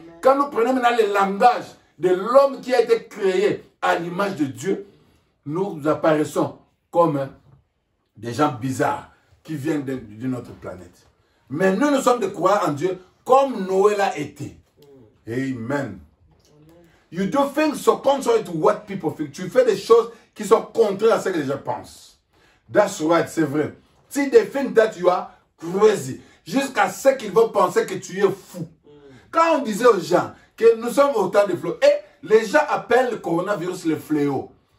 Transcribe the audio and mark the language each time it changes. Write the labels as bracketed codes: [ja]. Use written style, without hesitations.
[fr] Quand nous prenons maintenant le langage de l'homme qui a été créé à l'image de Dieu, nous apparaissons comme des gens bizarres qui viennent de notre planète. Mais nous, nous sommes de croire en Dieu comme Noé l'a été. Amen. [en] You do things so contrary to what people think. [fr] Tu fais des choses qui sont contraires à ce que les gens pensent. [en] That's right, [fr] c'est vrai. [en] See, they think that you are crazy. [fr] Jusqu'à ce qu'ils vont penser que tu es fou. Quand on disait aux gens que nous sommes au temps des fléaux, et les gens appellent le coronavirus le fléau.